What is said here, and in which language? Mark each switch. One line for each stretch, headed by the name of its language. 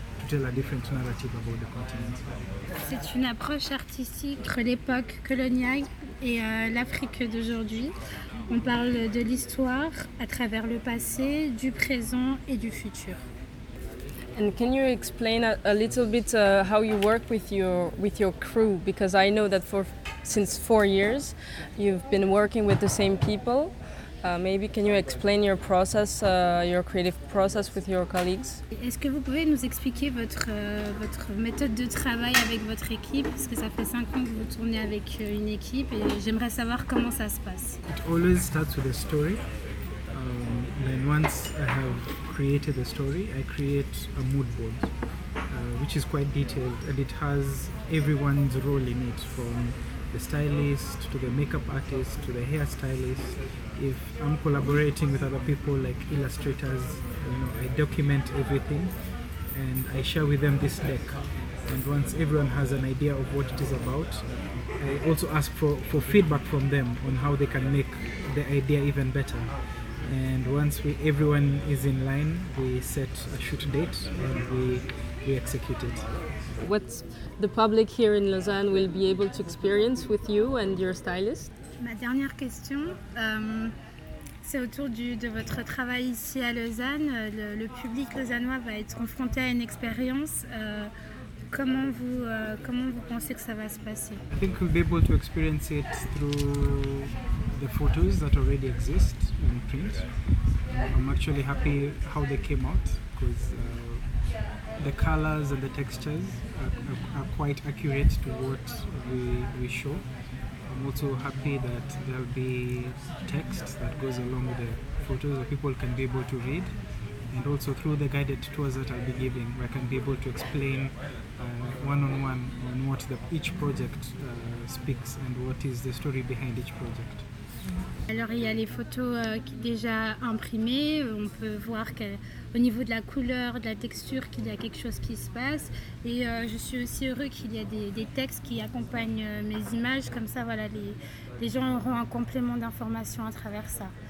English: to tell a different narrative about the continent.
French: C'est une approche artistique entre l'époque coloniale et l'Afrique d'aujourd'hui. On parle de l'histoire à travers le passé, du présent et du futur.
English: And can you explain a little bit how you work with your crew? Because I know that since 4 years, you've been working with the same people. Maybe can you explain your process, your creative process with your colleagues?
French: Est-ce que vous pouvez nous expliquer votre méthode de travail avec votre équipe? Parce que ça fait 5 ans que vous tournez avec une équipe et j'aimerais savoir comment ça se passe.
English: It always starts with a story. Then once I have created the story, I create a mood board, which is quite detailed, and it has everyone's role in it, from the stylist to the makeup artist to the hairstylist. If I'm collaborating with other people like illustrators, you know, I document everything and I share with them this deck. And once everyone has an idea of what it is about, I also ask for feedback from them on how they can make the idea even better. And once everyone is in line, we set a shoot date and we execute it. What the public here in Lausanne will be able to experience with you and your stylist?
French: Ma dernière question, c'est autour de votre travail ici à Lausanne. Le public lausannois va être confronté à une expérience. Comment vous pensez que ça va se passer?
English: I think we'll be able to experience it through the photos that already exist in print. I'm actually happy how they came out because the colors and the textures are quite accurate to what we show. I'm also happy that there'll be text that goes along with the photos that people can be able to read. And also through the guided tours that I'll be giving, I can be able to explain one-on-one on what each project speaks and what is the story behind each project.
French: Alors il y a les photos déjà imprimées, on peut voir qu'au niveau de la couleur, de la texture, qu'il y a quelque chose qui se passe. Et je suis aussi heureux qu'il y ait des textes qui accompagnent mes images, comme ça voilà, les gens auront un complément d'information à travers ça.